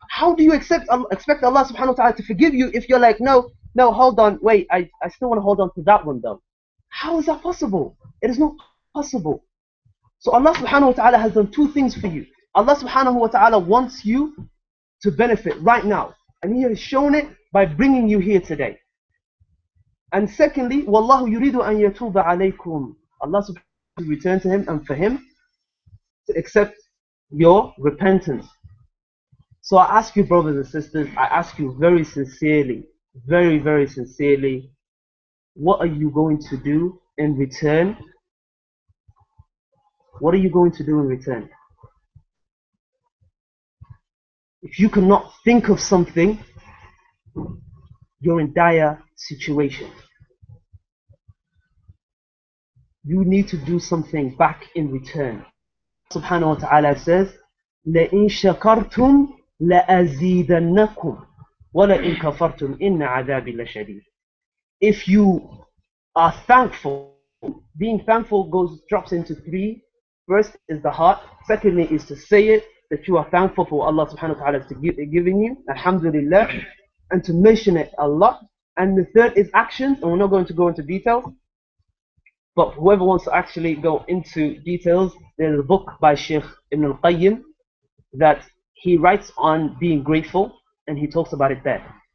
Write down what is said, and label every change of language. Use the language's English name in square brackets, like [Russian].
[English] How do you expect Allah subhanahu wa ta'ala to forgive you if you're like, no, hold on, wait, I still want to hold on to that one though. How is that possible? It is not possible. So Allah subhanahu wa ta'ala has done two things for you. Allah subhanahu wa ta'ala wants you to benefit right now. And He has shown it by bringing you here today. And secondly, [Arabic] وَاللَّهُ يُرِيدُ أَن يَتُوبَ عَلَيْكُمْ. [English] Allah subhanahu wa ta'ala return to Him and for Him to accept your repentance. So I ask you, brothers and sisters, I ask you very sincerely, very, very sincerely, what are you going to do in return? What are you going to do in return? If you cannot think of something, you're in dire situation. You need to do something back in return. [Arabic] Subhanahu wa ta'ala says, لَإِن شَكَرْتُمْ لَأَزِيدَنَّكُمْ وَلَإِن كَفَرْتُمْ إِنَّ عَذَابِ لَشَدِيدٌ. [English] If you are thankful, being thankful drops into three. First is the heart. Secondly is to say it, that you are thankful for what Allah subhanahu wa ta'ala has given you, alhamdulillah, and to mention it a lot. And the third is actions, and we're not going to go into details. But whoever wants to actually go into details, there's a book by Sheikh Ibn al-Qayyim that he writes on being grateful, and he talks about it there.